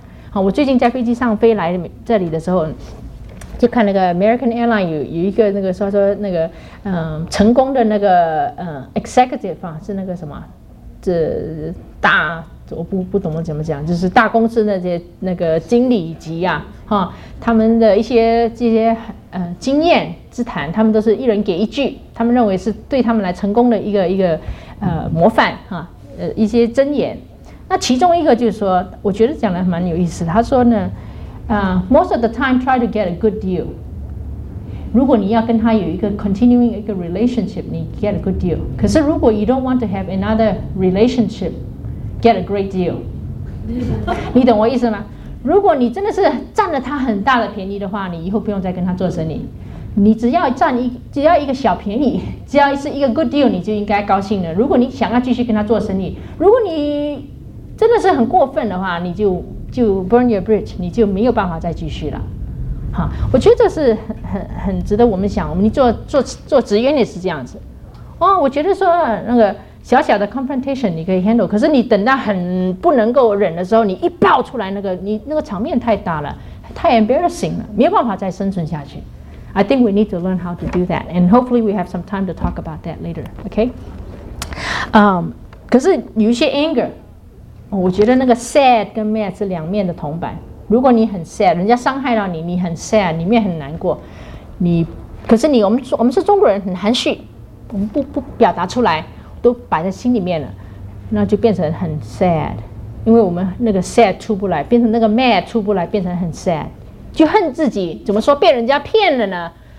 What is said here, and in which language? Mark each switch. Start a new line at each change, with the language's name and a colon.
Chinese: 好，我最近在飞机上飞来这里的时候，就看那个 American Airlines 有一个那个说那个成功的那个executive 啊，是那个什么，这大我不懂怎么讲，就是大公司那些那个经理级啊，哈，他们的一些这些经验之谈，他们都是一人给一句，他们认为是对他们来成功的一个模范哈，一些箴言。那其中一个就是说，我觉得讲的蛮有意思，他说呢。
English: Most of the time, try to get a good deal.
Chinese: 如果你要跟他有一个 continuing 一个 relationship， 你
English: get a good deal。
Chinese: 可是如果
English: you don't want to have another relationship， get a great deal。
Chinese: 你懂我意思吗？如果你真的是占了他很大的便宜的话，你以后不用再跟他做生意。你只要占只要一个小便宜，只要是一个 good deal， 你就应该高兴了。如果你想要继续跟他做生意，如果你真的是很过分的话，你就
English: burn your bridge，
Chinese: 你就没有办法再继续了。我觉得这是 很值得我们想。我们做职员也是这样子，我觉得说那个小小的 confrontation 你可以 handle， 可是你等到很不能够忍的时候，你一爆出来，那个场面太大了，太 embarrassing 了，没有办法再生存下去。
English: I think we need to learn how to do that, and hopefully we have some time to talk about that later, okay?
Chinese: 可是有一些 anger， 我觉得那个 sad 跟 mad 是两面的铜板。如果你很 sad， 人家伤害到你，你很 sad， 里面很难过，我们是中国人，很含蓄，我们不表达出来，都摆在心里面了，那就变成很 sad， 因为我们那个 sad 出不来，变成那个 mad 出不来，变成很 sad， 就恨自己，怎么说被人家骗了呢？